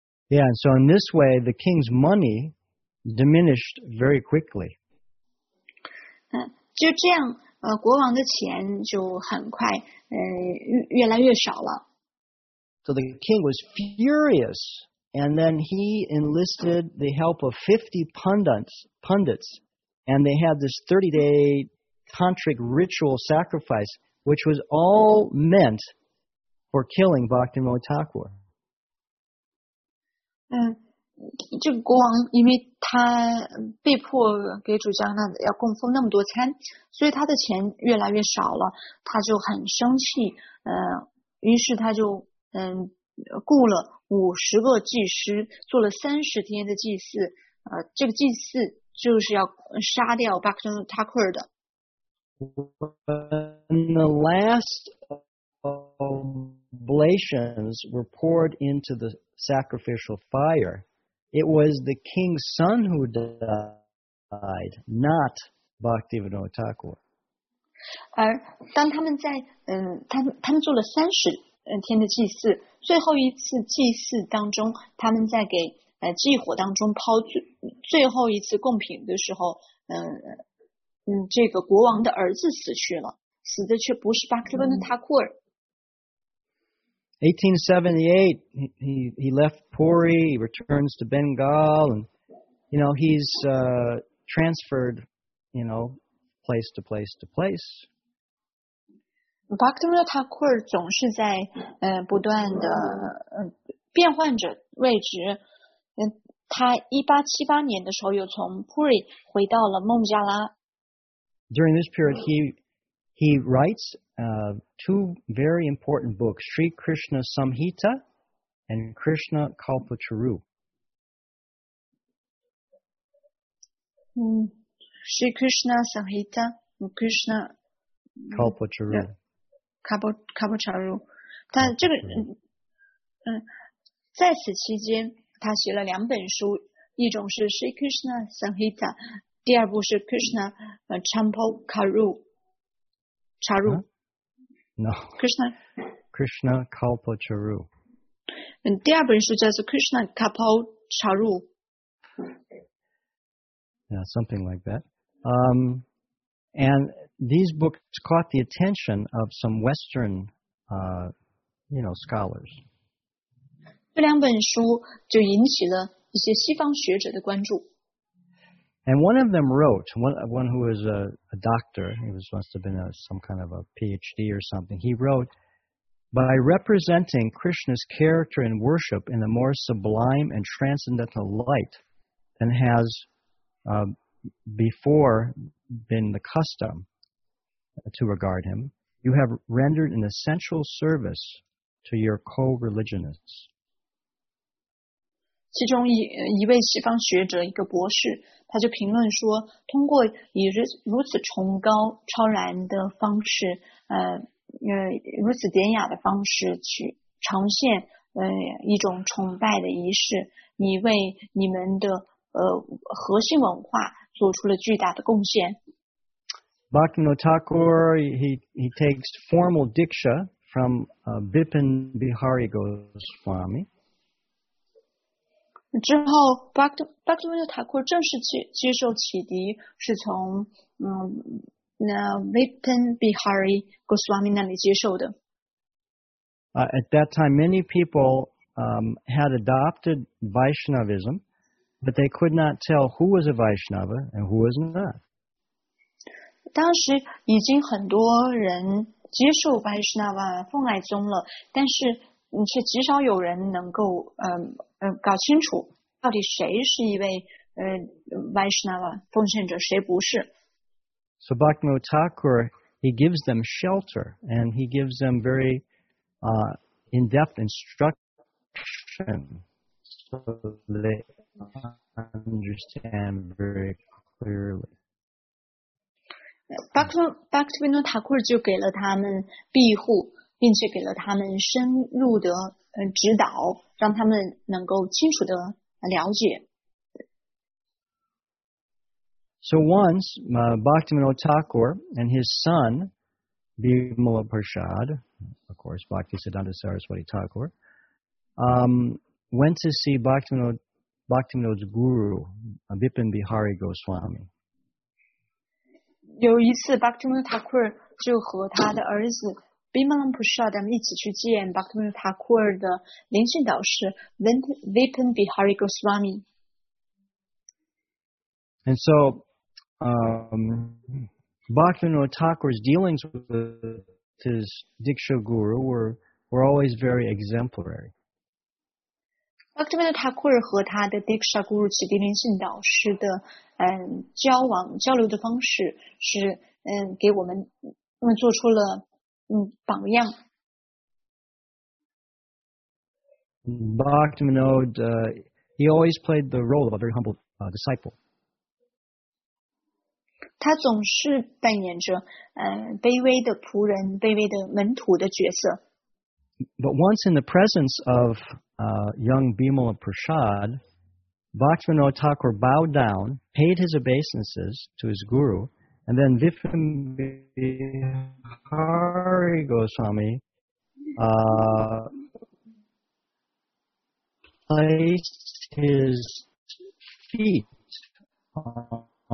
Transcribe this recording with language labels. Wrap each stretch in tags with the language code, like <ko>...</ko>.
<en>Yeah, and so in this way, the king's money diminished very quickly.</en> <zh>就这样，国王的钱就很快，越来越少了。</zh> <en>So the king was furious. And then he enlisted the help of 50 pundits, and they had this 30-day tantric ritual sacrifice, which was all meant for killing Bhaktivinoda Thakur.</en> <zh>这个国王因为他被迫给主加那要供奉那么多餐，所以他的钱越来越少了，他就很生气，于是他就雇了50个祭师，做了30天的祭祀，这个祭祀就是要杀掉 Bhaktivinoda Thakur 的。</zh> <en>When the last oblations were poured into the sacrificial fire, it was the king's son who died, not Bhaktivinoda Thakur.</en> <zh>而当他们在他们做了30天的祭祀，最后一次祭祀当中，他们在给祭火当中抛最后一次贡品的时候，这个国王的儿子死去了，死的却不是巴克温的塔库尔。</zh> <en>1878, he left Puri, he returns to Bengal, and you know he's transferred, you know, place to place to place.</en> <zh>Bhaktivinoda Thakur 总是在不断的变换着位置。他1878年的时候又从 Puri 回到了孟加拉。</zh> <en>During this period, he writes two very important books, Sri Krishna Samhita and Krishna Kalpacharu. Sri Krishna Samhita and Krishna Kalpacharu.</en> <zh>Kalpacharu, 他这个在此期间他写了两本书，一种是 Sri Krishna Samhita, 第二部是 Krishna Kalpacharu, Charu,</zh> <en>No, Krishna Kalpacharu,</en> <zh>第二本书叫做 Krishna Kalpacharu,</zh> <en>Yeah, something like that. And these books caught the attention of some Western, scholars.</en> <zh>这两本书就引起了一些西方学者的关注。</zh> <en>And one of them wrote, one who was a doctor, he was, must have been a, some kind of a PhD or something, he wrote, by representing Krishna's character and worship in a more sublime and transcendental light than has before been the custom to regard him, you have rendered an essential service to your co-religionists.</en> <zh>其中 一位西方学者一个博士他就评论说通过以如此崇高超然的方式如此典雅的方式去呈现一种崇拜的仪式你为你们的核心文化做出了巨大的贡献。</zh> <en>Bhaktivinoda Thakur, he takes formal diksha from Bipin Bihari Goswami.</en> <zh>之后 Bhaktivinoda Thakur 正式接受启迪是从Bipin Bihari Goswami 那里接受的。</zh> <en>At that time, many people had adopted Vaishnavism, but they could not tell who was a Vaishnava and who was not.</en> <zh>当时已经很多人接受 Vaishnava 奉爱宗了，但是却极少有人能够搞清楚到底谁是一位Vaishnava 奉献者，谁不是。</zh> <en>So Bhaktivinoda Thakur, he gives them shelter and he gives them very in-depth instruction so they understand very clearly.</en> <zh>Bhaktivinoda Thakur 就给了他们庇护，并且给了他们深入的指导，让他们能够清楚的了解。</zh> <en>So once, Bhaktivinoda Thakur and his son, Bimala Prasad, of course, Bhaktisiddhanta Saraswati Thakur, went to see Bhaktivinoda's guru, Bipin Bihari Goswami.</en> <zh>有一次 Bhaktivinoda Thakur 就和他的儿子 Bimala Prasad 一起去见 Bhaktivinoda Thakur 的灵性导师 Bipin Bihari Goswami.</zh> <en>And so,Bhaktivinoda Thakur's dealings with his Diksha Guru were always very exemplary.</en> <zh>Bhaktivinoda Thakur 和他的 Diksha Guru 启迪灵性导师的交往交流的方式是给我们做出了榜样。</zh> <en>Bhaktivinoda, he always played the role of a very humble disciple.</en> <zh>他总是扮演着卑微的仆人、卑微的门徒的角色。</zh> <en>But once in the presence of young Bimala Prasad, Bhaktivinoda Thakur bowed down, paid his obeisances to his guru, and then Bipin Bihari Goswami placed his feet on.</en>